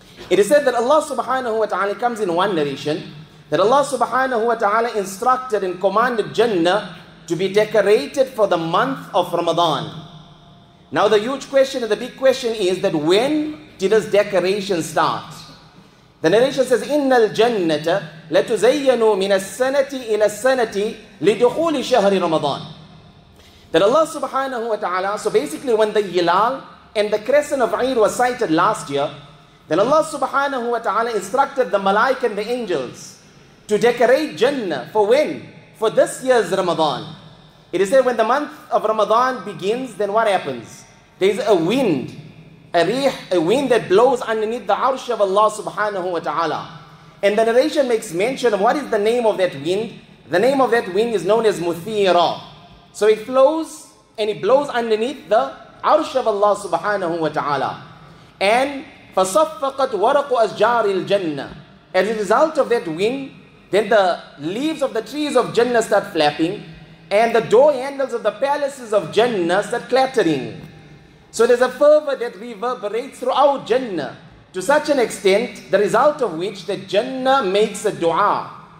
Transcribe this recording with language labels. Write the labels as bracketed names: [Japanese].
[English] It is said that Allah subhanahu wa ta'ala comes in one narration, that Allah subhanahu wa ta'ala instructed and commanded Jannah to be decorated for the month of Ramadan. Now the huge question and the big question is that when did this decoration start? The narration says, [Arabic] إِنَّ الْجَنَّةَ لَتُزَيَّنُوا مِنَ السَّنَةِ إِلَى السَّنَةِ لِدُخُولِ شَهْرِ رَمَضَانِ. [English] That Allah subhanahu wa ta'ala, so basically when the Hilal and the Crescent of Eid was sighted last year, then Allah subhanahu wa ta'ala instructed the malaika and the angels to decorate Jannah for when? For this year's Ramadan. It is said when the month of Ramadan begins, then what happens? There is a wind, a wind that blows underneath the arsh of Allah subhanahu wa ta'ala. And the narration makes mention of what is the name of that wind. The name of that wind is known as Muthira. So it flows and it blows underneath the arsh of Allah subhanahu wa ta'ala. [Arabic] And فَصَفَّقَتْ وَرَقُ أَشْجَارِ الْجَنَّةِ. [English] As a result of that wind, then the leaves of the trees of Jannah start flapping and the door handles of the palaces of Jannah start clattering. So there's a fervor that reverberates throughout Jannah to such an extent, the result of which that Jannah makes a dua.